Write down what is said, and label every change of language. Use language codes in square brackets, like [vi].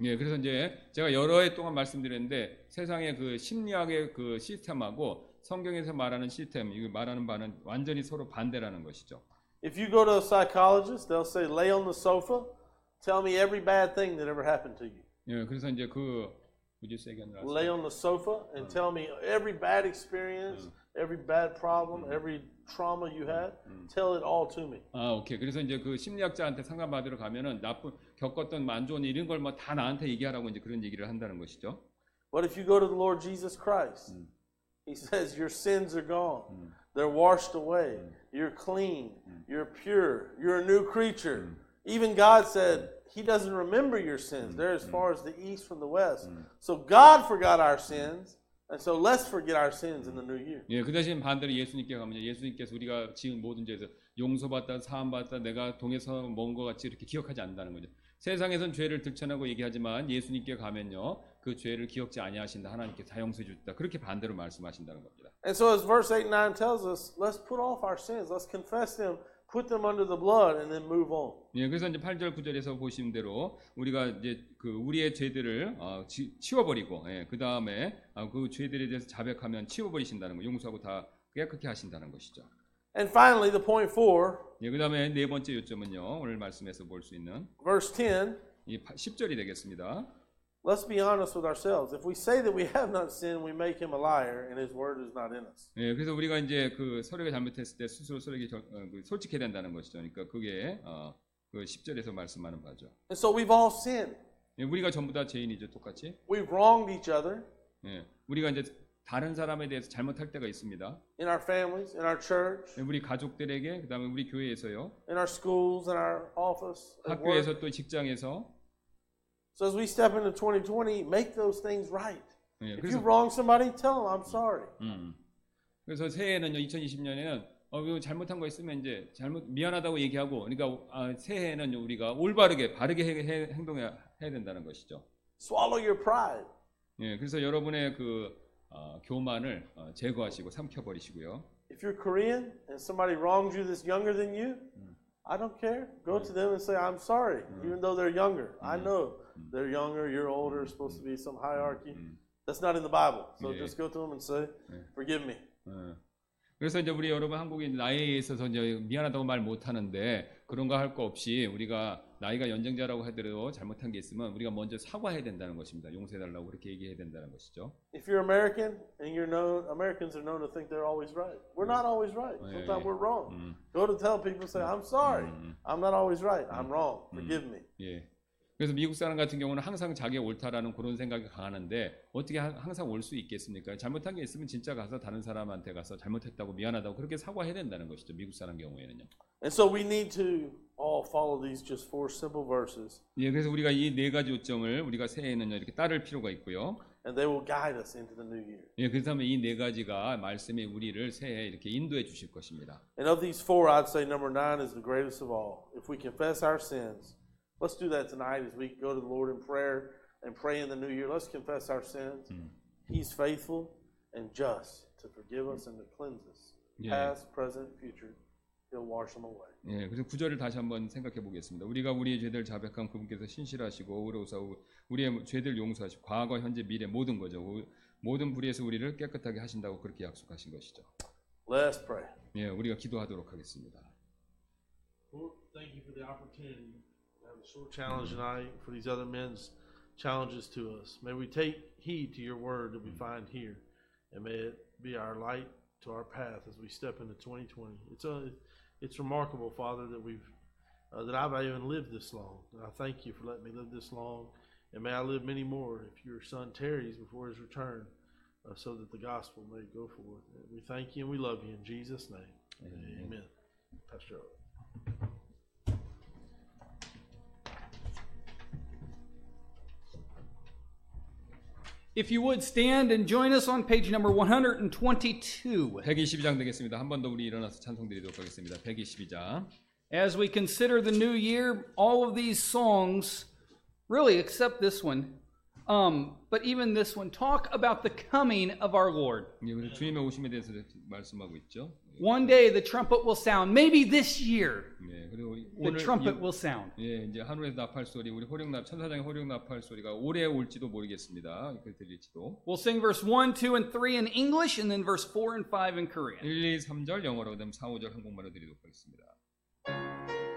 [ko] 예, 그래서 이제 제가 여러 해 동안 말씀드렸는데 세상의 그 심리학의 그 시스템하고 성경에서 말하는 시스템, 이거 말하는 바는 완전히 서로 반대라는 것이죠. [en] If you go to a psychologist, they'll say, lay on the sofa. Tell me every bad thing that ever happened to you. [ko] 예, 그래서 이제 그 [en] would you say again? Lay on the sofa and tell me every bad experience, every bad problem, every trauma you had. Tell it all to me. [ko] 아, 오케이. 그래서 이제 그 심리학자한테 상담받으러 가면은 나쁜 겪었던 안 좋은 이런 걸 뭐 다 나한테 얘기하라고 이제 그런 얘기를 한다는 것이죠. [en] But if you go to the Lord Jesus Christ, he says your sins are gone. They're washed away. You're clean. You're pure. You're a new creature. Even God said he doesn't remember your sins. They're as far as the east from the west. So God forgot our sins. And so let's forget our sins in the new year. [ko] 예, 그 대신 반대로 예수님께 가면 예수님께서 우리가 지은 모든 죄에서 용서받다, 사함받다, 내가 동에서 먼 것 같이 이렇게 기억하지 않는다는 거죠. 세상에선 죄를 들춰내고 얘기하지만 예수님께 가면요. 그 죄를 기억지 아니하신다. 하나님께 다 용서해 주셨다. 그렇게 반대로 말씀하신다는 겁니다. [en] And so as verse 8 and 9 tells us, let's put off our sins. Let's confess them. Put them under the blood and then move on. [ko] 예, 그래서 이제 8절 9절에서 보신 대로 우리가 이제 그 우리의 죄들을 치워버리고, 예, 그 다음에 그 죄들에 대해서 자백하면 치워버리신다는 거, 용서하고 다 깨끗게 하신다는 것이죠. [en] And finally, the point 4. [ko] 예, 그 다음에 네 번째 요점은요, 오늘 말씀에서 볼 수 있는 [en] verse 10. [ko] 이 10절이 되겠습니다. [en] Let's be honest with ourselves. If we say that we have not sinned, we make him a liar, and his word is not in us. [ko] 예, 그래서 우리가 이제 그 서로가 잘못했을 때 스스로 서로에게 솔직해야 된다는 것이죠. 그러니까 그게 그 10절에서 말씀하는 바죠. [en] And so we've all sinned. [ko] 예, 우리가 전부 다 죄인이죠, 똑같이. [en] We've wronged each other. [ko] 예, 우리가 이제 다른 사람에 대해서 잘못할 때가 있습니다. [en] In our families, in our church. [ko] 예, 우리 가족들에게, 그다음에 우리 교회에서요. [en] In our schools, in our office. [ko] 학교에서 또 직장에서. [en] So as we step into 2020, make those things right. [ko] 예, 그래서, [en] if you wrong somebody, tell them I'm sorry. [ko] 그래서 새해에는요, 2020년에는 잘못한 거 있으면 이제 잘못 미안하다고 얘기하고, 그러니까 새해에는요 우리가 올바르게 바르게 행동해야 된다는 것이죠. [en] Swallow your pride. [ko] 예, 그래서 여러분의 그 교만을 제거하시고 삼켜 버리시고요. [en] If you're Korean and somebody wronged you that's younger than you, I don't care. Go to them and say I'm sorry, even though they're younger. I know. They're younger, you're older, supposed to be some hierarchy. That's not in the Bible. So 예. just go to them and say, forgive me. [ko] 그래서 이제 우리 여러분 한국인 나이에 있어서 이제 미안하다고 말 못하는데 그런 거 할 거 없이 우리가 나이가 연장자라고 하더라도 잘못한 게 있으면 우리가 먼저 사과해야 된다는 것입니다. 용서해달라고 그렇게 얘기해야 된다는 것이죠. [en] If you're American and you're known, Americans are known to think they're always right. We're not always right. Sometimes we're wrong. Go to tell people, say, I'm sorry. I'm not always right. I'm wrong. Forgive me. [ko] 예. 그래서 미국 사람 같은 경우는 항상 자기가 옳다라는 그런 생각이 강하는데 어떻게 항상 옳을 수 있겠습니까? 잘못한 게 있으면 진짜 가서 다른 사람한테 가서 잘못했다고 미안하다고 그렇게 사과해야 된다는 것이죠. 미국 사람 경우에는요. [en] And so we need to all follow these just four simple verses. [ko] 예, 그래서 우리가 이 네 가지 요점을 우리가 새해에는요 이렇게 따를 필요가 있고요. [en] And they will guide us into the new year. [ko] 예, 그렇다면 이 네 가지가 말씀이 우리를 새해 이렇게 인도해 주실 것입니다. [en] And of these four, I'd say number nine is the greatest of all. If we confess our sins. Let's do that tonight as we go to the Lord in prayer and pray in the new year. Let's confess our sins. He's faithful and just to forgive us and to cleanse us. Past, present, future. He'll wash them away. 예, 그래서 구절을 다시 한번 생각해 보겠습니다. 우리가 우리의 죄들 자백함 그분께서 신실하시고 의로우사 우리의 죄들 용서하시고 과거, 현재, 미래 모든 거죠. 모든 불의에서 우리를 깨끗하게 하신다고 그렇게 약속하신 것이죠. Let's pray. 예, 우리가 기도하도록 하겠습니다. Lord, thank you for the opportunity. Short challenge tonight for these other men's challenges to us. May we take heed to your word that we find here, and may it be our light to our path as we step into 2020. It's remarkable, Father, that I've even lived this long. I thank you for letting me live this long, and may I live many more if your son tarries before his return, so that the gospel may go forth. We thank you and we love you in Jesus' name. Amen. Pastor Oak. If you would stand and join us on page number 122. [ko] 122장 되겠습니다. 한 번 더 우리 일어나서 찬송 드리도록 하겠습니다. 122장. [en] As we consider the new year, all of these songs, really except this one, but even this one, talk about the coming of our Lord. [ko] 예, 우리 주님의 오심에 대해서 말씀하고 있죠. [en] One day the trumpet will sound. Maybe this year. [ko] 예, 그리고 [en] the 오늘 trumpet 이, will sound. [ko] 예, 이제 하늘에서 나팔 소리, 우리 호령납 천사장의 호령납할 소리가 올해 올지도 모르겠습니다. 그 들릴지도. [en] We'll sing verse 1, 2, and 3 in English, and then verse 4 and 5 in Korean. [ko] 1, 2, 3절 영어로, 그다음 4, 5절 한국말로 드리도록 하겠습니다.